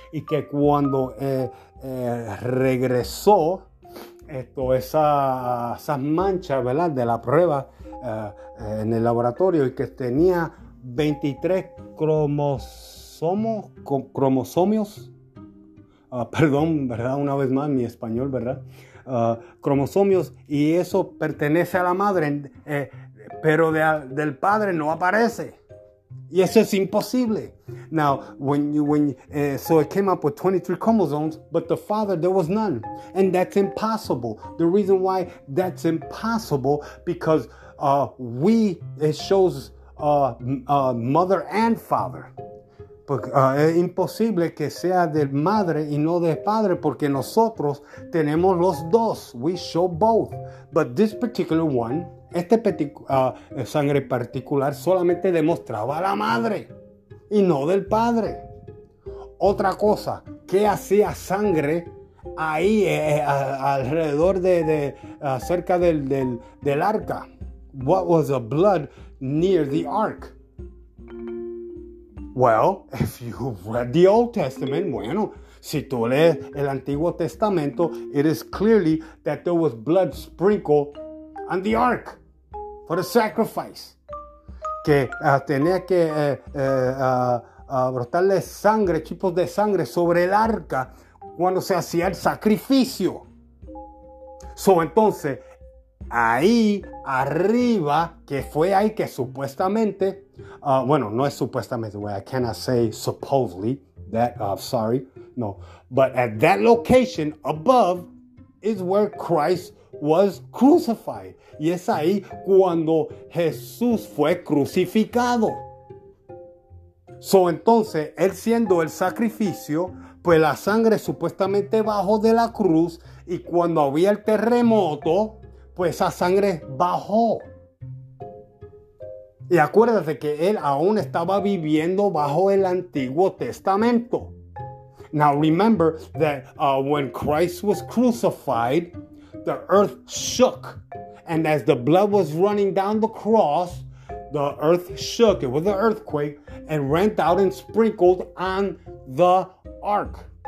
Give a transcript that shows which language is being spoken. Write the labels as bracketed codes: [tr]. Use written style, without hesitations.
[es] Y que cuando regresó esas manchas, ¿verdad?, de la prueba en el laboratorio, y que tenía 23 cromosomios. Perdón, ¿verdad? Una vez más mi español, ¿verdad? Cromosomios, y eso pertenece a la madre, pero del padre no aparece. Y eso es imposible. [en] Now, so it came up with 23 chromosomes, but the father, there was none. And that's impossible. The reason why that's impossible, because it shows mother and father. [es] Es imposible que sea de madre y no de padre, porque nosotros tenemos los dos. [en] We show both. But this particular one, [es] sangre particular, solamente demostraba a la madre y no del padre. Otra cosa, ¿qué hacía sangre ahí alrededor cerca del arca? [en] What was the blood near the ark? Well, if you read the Old Testament, [es] bueno, si tú lees el Antiguo Testamento, [en] it is clearly that there was blood sprinkled on the ark for the sacrifice. [es] Que tenía que brotarle sangre, tipos de sangre sobre el arca cuando se hacía el sacrificio. So, entonces, ahí arriba, que fue ahí que supuestamente, bueno, no es supuestamente, [en] well, I cannot say supposedly, that, sorry, [es] no. [en] But at that location above is where Christ was crucified. [es] Y es ahí cuando Jesús fue crucificado. So, entonces, él siendo el sacrificio, pues la sangre supuestamente bajó de la cruz, y cuando había el terremoto, pues esa sangre bajó. Y acuérdate que él aún estaba viviendo bajo el Antiguo Testamento. [en] Now remember that when Christ was crucified, the earth shook. And as the blood was running down the cross, the earth shook. It was an earthquake, and ran out and sprinkled on the ark.